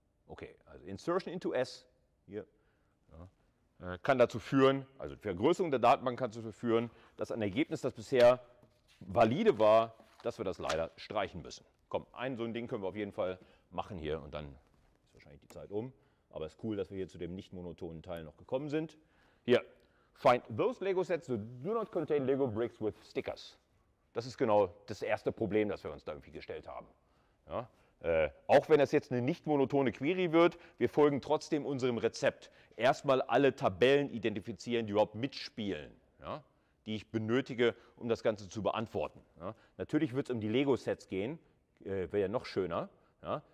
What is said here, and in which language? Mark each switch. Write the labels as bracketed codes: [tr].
[de] Okay, also [en] Insertion into S [de] hier kann dazu führen, also Vergrößerung der Datenbank kann dazu führen, dass ein Ergebnis, das bisher valide war, dass wir das leider streichen müssen. Komm, ein so ein Ding können wir auf jeden Fall machen hier und dann ist wahrscheinlich die Zeit um. Aber es ist cool, dass wir hier zu dem nicht monotonen Teil noch gekommen sind. Hier, [en] find those Lego sets that do not contain Lego bricks with stickers. [de] Das ist genau das erste Problem, das wir uns da irgendwie gestellt haben. Ja? Auch wenn das jetzt eine nicht monotone Query wird, wir folgen trotzdem unserem Rezept. Erstmal alle Tabellen identifizieren, die überhaupt mitspielen, ja? Die ich benötige, um das Ganze zu beantworten. Ja? Natürlich wird es um die Lego-Sets gehen, wäre ja noch schöner. Ja?